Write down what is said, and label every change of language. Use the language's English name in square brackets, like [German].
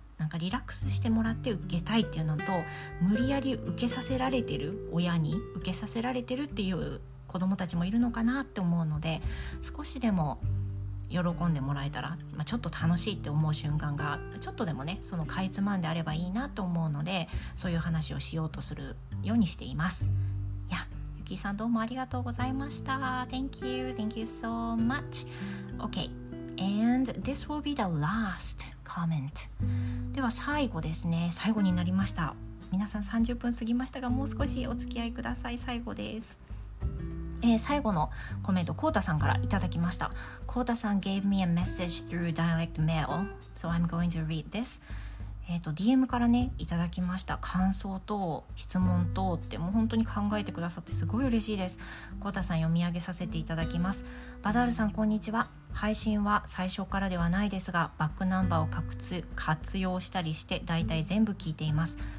[Japanese] なんかリラックスしてもらって受けたいっていうのと、無理やり受けさせられてる、親に受けさせられてるっていう子どもたちもいるのかなって思うので、少しでも喜んでもらえたら、ちょっと楽しいって思う瞬間がちょっとでもね、そのかいつまんであればいいなと思うので、そういう話をしようとするようにしています。いや、ゆきさんどうもありがとうございました。 [English] Thank you, thank you so much. Okay, and this will be the last comment. [Japanese] では最後ですね、最後になりました。皆さん30分過ぎましたが、もう少しお付き合いください。最後です。最後のコメント、コウタさんからいただきました。 [English] コウタさん gave me a message through direct mail, so I'm going to read this. [Japanese] DM からね、いただきました。感想と質問とって、もう本当に考えてくださってすごい嬉しいです。コウタさん読み上げさせていただきます。バザールさん、こんにちは。配信は最初からではないですが、バックナンバーを活用したりして、だいたい全部聞いています。